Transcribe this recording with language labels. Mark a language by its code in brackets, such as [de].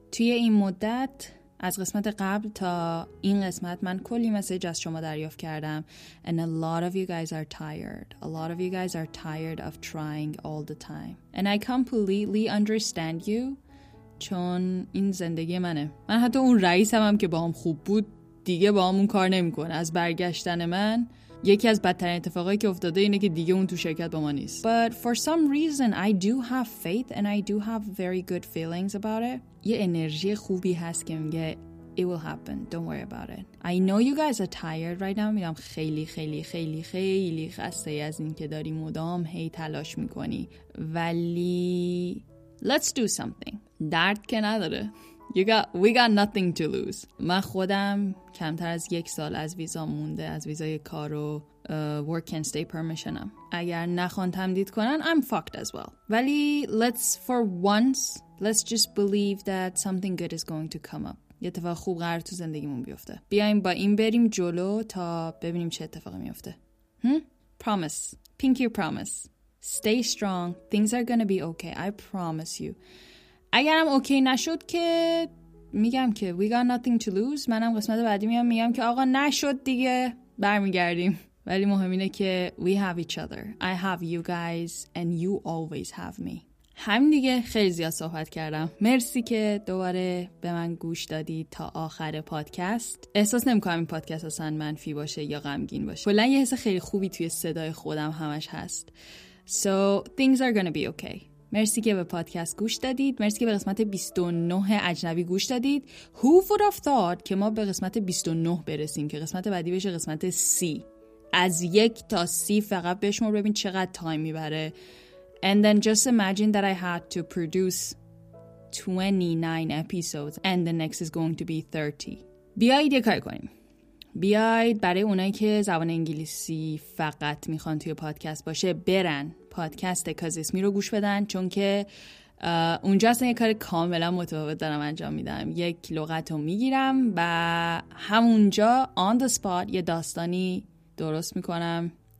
[fa] توی این مدت از قسمت قبل تا این قسمت من کلی مسیج از شما دریافت کردم [en] and a lot of you guys are tired, a lot of you guys are tired of trying all the time and I completely understand you. [fa] چون این زندگی منه، من حتی اون رئیسم هم که با هم خوب بود دیگه با همون کار نمی کنه. از برگشتن من یکی از بدترین اتفاقایی که افتاده اینه که دیگه اون تو شرکت با ما نیست. [en] But for some reason I do have faith and I do have very good feelings about it. [fa] یه انرژی خوبی هست که میگه [en] it will happen, don't worry about it. I know you guys are tired right now. [fa] میدونم خیلی خیلی خیلی خیلی خسته از این که داری مدام هی تلاش میکنی، ولی [en] let's do something. [fa] درد که نداره. [en] We got nothing to lose. [fa] من خودم کمتر از 1 سال از ویزا مونده، از ویزای کار و [en] work and stay permission [fa] م. اگر نخوان تمدید کنن [en] I'm fucked as well. [fa] ولی [en] let's for once Let's just believe that something good is going to come up. [fa] یه اتفاق خوب قرار تو زندگیمون بیفته. بیایم با این بریم جلو تا ببینیم چه اتفاقی میفته. [en] Promise. Pinky promise. Stay strong. Things are gonna be okay. I promise you. [fa] اگرم اوکی نشد که میگم که [en] we got nothing to lose. [fa] منم قسمت بعدی میام میگم که آقا نشد دیگه. برمیگردیم. ولی مهم اینه که [en] we have each other. I have you guys and you always have me. [fa] همین دیگه. خیلی زیاد صحبت کردم. مرسی که دوباره به من گوش دادی تا آخر پادکست. احساس نمیکنم این پادکست اصلا منفی باشه یا غمگین باشه. کلا یه حس خیلی خوبی توی صدای خودم همش هست. [en] So things are gonna be okay. [fa] مرسی که به پادکست گوش دادید. مرسی که به قسمت 29 اجنبی گوش دادید. [en] Who would have thought [fa] که ما به قسمت 29 برسیم که قسمت بعدی بشه قسمت 30. از 1 تا 30 فقط بشمار ببین چقدر تایم میبره. [en] And then just imagine that I had to produce 29 episodes and the next is going to be 30. [fa] بیایید یه کاری کنیم. بیایید برای اونایی که زبان انگلیسی فقط میخوان توی پادکست باشه برن پادکست کازیسمی رو گوش بدن چون که اونجا اصلا یه کار کاملا متفاوت دارم انجام میدم. یک لغت رو میگیرم و همونجا [en] on the spot [fa] یه داستانی درست میکنم.